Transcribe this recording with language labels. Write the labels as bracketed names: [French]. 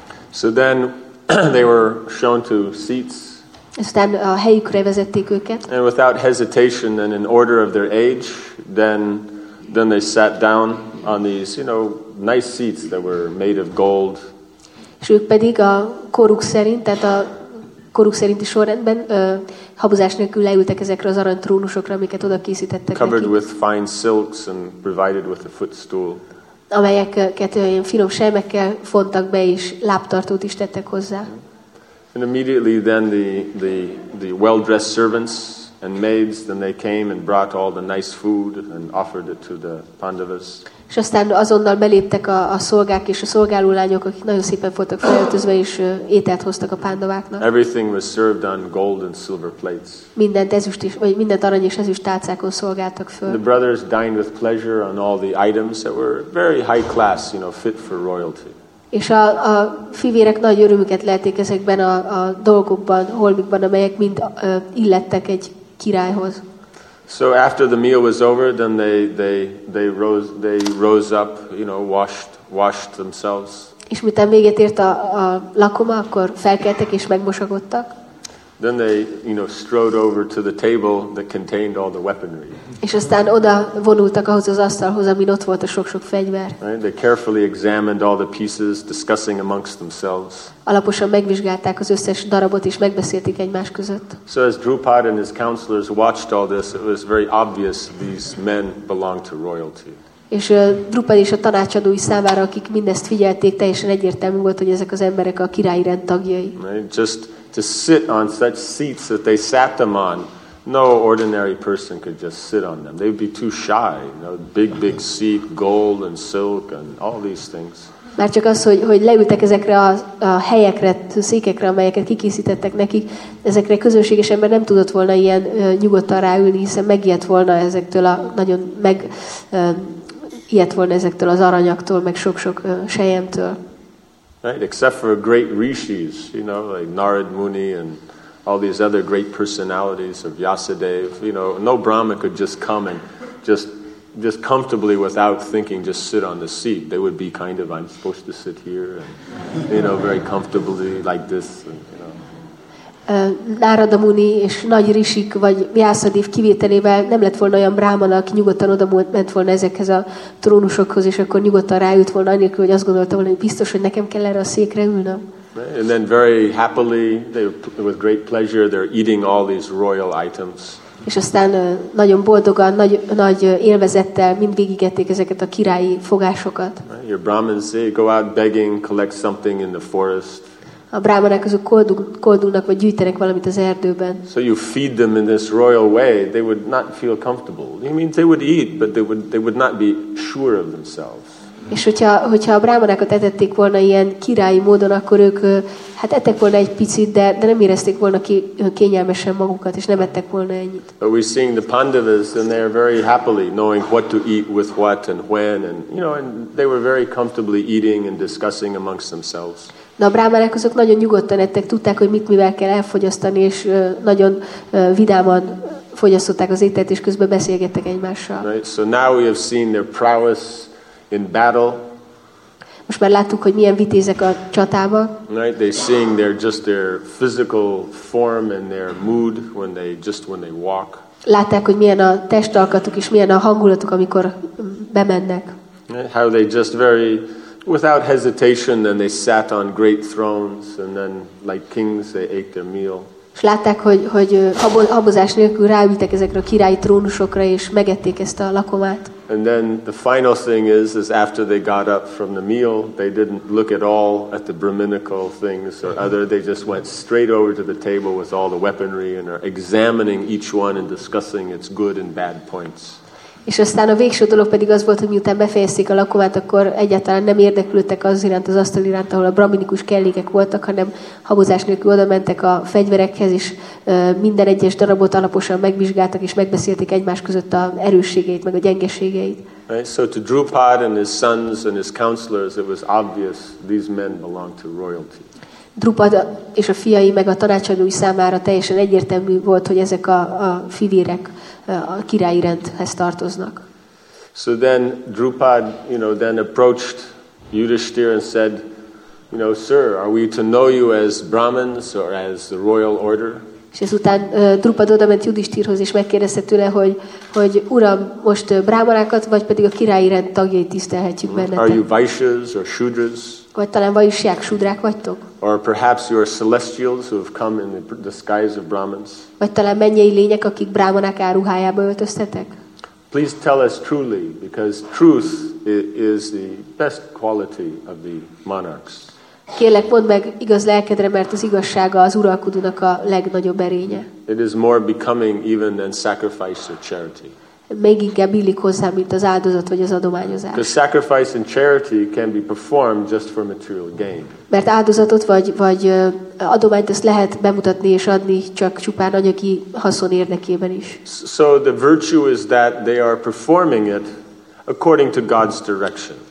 [English] So then they were shown to seats. [Hungarian] Aztán a helyükre vezették őket. [English] And without hesitation and in order of their age, then they sat down on these, you know, nice seats that were made of gold. [Hungarian] És ők pedig a koruk szerint, tehát a koruk szerinti sorrendben habozás nélkül leültek ezekre az arany trónusokra, amiket oda készítettek. [English] Covered with fine silks and provided with a footstool. [Hungarian] Amelyeket ilyen finom sejmekkel fontak be, és lábtartót is tettek hozzá. [English] And immediately then the well-dressed servants and maids, then they came and brought all the nice food and offered it to the Pandavas. [Hungarian] És aztán azonnal beléptek a szolgák és a szolgálólányok, akik nagyon szépen voltak felöltözve, és ételt hoztak a pándováknak. [English] Everything was served on gold and silver plates. [Hungarian] Mindent ezüst is, vagy mindent arany és ezüst tálcákon szolgáltak föl. [English] The brothers dined with pleasure on all the items that were very high class, you know, fit for royalty. [Hungarian] És a fivérek nagy örömüket lelték ezekben a dolgokban, holmikban, amelyek mind illettek egy királyhoz. [English] So after the meal was over, then they rose up, you know, washed themselves. [Hungarian] És miután véget ért a lakoma, akkor felkeltek és megmosakodtak. [English] Then they, you know, strode over to the table that contained all the weaponry. [Hungarian] És aztán oda vonultak ahhoz az asztalhoz, amin ott volt a sok-sok fegyver. [English] Right? They carefully examined all the pieces, discussing amongst themselves. [Hungarian] Alaposan megvizsgálták az összes darabot és megbeszélték egymás között. [English] So as Drupad and his counselors watched all this, it was very obvious these men belonged to royalty. [Hungarian] És Drupad és a tanácsadói számára, akik mindezt figyelték, teljesen egyértelmű volt, hogy ezek az emberek a királyi rend tagjai. [English] Right? Just to sit on such seats that they sat them on, no ordinary person could just sit on them. They'd be too shy. You know, big seat, gold and silk and all these things. [Hungarian] Már csak az, hogy leültek ezekre a helyekre, a székekre, amelyeket kikészítettek nekik, ezekre közönséges ember nem tudott volna ilyen nyugodtan ráülni, hiszen megijedt volna ezektől a nagyon meg ijedt volna ezektől az aranyaktól, meg sok-sok sejemtől. [English] Right, except for great rishis, you know, like Narad Muni and all these other great personalities of Vyasadeva, you know, no Brahmin could just come and just comfortably without thinking just sit on the seat. They would be kind of, I'm supposed to sit here, and, you know, very comfortably like this, and, you know. [Hungarian] Nárada Muni és Nagy Risik vagy Vyászadév kivételével nem lett volna olyan brámana, aki nyugodtan oda ment volna ezekhez a trónusokhoz, és akkor nyugodtan ráült volna, anélkül, hogy azt gondolta volna, hogy biztos, hogy nekem kell erre a székre ülnöm. [English] And then very happily, they, with great pleasure, they're eating all these royal items. [Hungarian] És aztán nagyon boldogan, nagy élvezettel mind végigették ezeket a királyi fogásokat. [English] Right? Your Brahmins, they go out begging, collect something in the forest. [Hungarian] A brahmanák azok koldulnak vagy gyűjtenek valamit az erdőben. [English] So you feed them in this royal way, they would not feel comfortable. You mean they would eat, but they would not be sure of themselves. [Hungarian] És hogyha a brahmanákat etették volna ilyen királyi módon, akkor ők hát ettek volna egy picit, de nem érezték volna kényelmesen magukat, és nem ettek volna ennyit. [English] But we're seeing the Pandavas and they are very happily knowing what to eat with what and when, and you know, and they were very comfortably eating and discussing amongst themselves. [Hungarian] De a brámanák azok nagyon nyugodtan ettek, tudták, hogy mit mivel kell elfogyasztani, és nagyon vidáman fogyasztották az ételt, és közben beszélgettek egymással. [English] Right. So now we have seen their prowess in battle. [Hungarian] Most már láttuk, hogy milyen vitézek a csatában. [English] Right. They seeing their just their physical form and their mood when they walk. [Hungarian] Látták, hogy milyen a testalkatuk és milyen a hangulatuk, amikor bemennek. [English] Right. How they just very without hesitation, then they sat on great thrones, and then, like kings, they ate their meal. [Hungarian] És látták, hogy habozás nélkül ráültek ezekre a királyi trónusokra, és megették ezt a lakomát. [English] And then the final thing is after they got up from the meal, they didn't look at all at the brahminical things or other. They just went straight over to the table with all the weaponry and are examining each one and discussing its good and bad points. [Hungarian] És aztán a végső dolog pedig az volt, hogy miután befejezték a lakomát, akkor egyáltalán nem érdeklődtek az iránt, az asztal iránt, ahol a brahminikus kellékek voltak, hanem habozás nélkül oda mentek a fegyverekhez, és minden egyes darabot alaposan megvizsgáltak, és megbeszélték egymás között a erősségeit, meg a gyengeségeit. [English] Right, so to Drupada and his sons and his counselors, it was obvious these men belonged to royalty. [Hungarian] Drupada és a fiai meg a tanácsadói számára teljesen egyértelmű volt, hogy ezek a fivérek a királyi rendhez tartoznak. [English] So then Drupad, you know, then approached Yudhishthir and said, you know, sir, are we to know you as Brahmins or as the royal order? [Hungarian] És ezután Drupad odament Yudhishthirhoz és megkérdezte tőle, hogy uram, most brahmanákat vagy pedig a királyi rend tagjait tisztelhetjük benneteket? [English] Are you Vaishyas or Shudras? [Hungarian] Vagy talán vajusják, sudrák vagytok? [English] Or perhaps you are celestials who have come in the disguise of Brahmins? [Hungarian] Vagy talán mennyei lények, akik brahmanák áruhájába öltöztetek? [English] Please tell us truly, because truth is the best quality of the monarchs. [Hungarian] Kérlek, mondd meg igaz lelkedre, mert az igazsága az uralkodónak a legnagyobb erénye. [English] It is more becoming even than sacrifice or charity. [Hungarian] Még inkább illik hozzá, mint az áldozat vagy az adományozás. [English] The sacrifice and charity can be performed just for material gain. [Hungarian] Mert áldozatot vagy adományt ezt lehet bemutatni és adni csak csupán anyagi haszon érdekében is. [English] So the virtue is that they are performing it according to God's direction.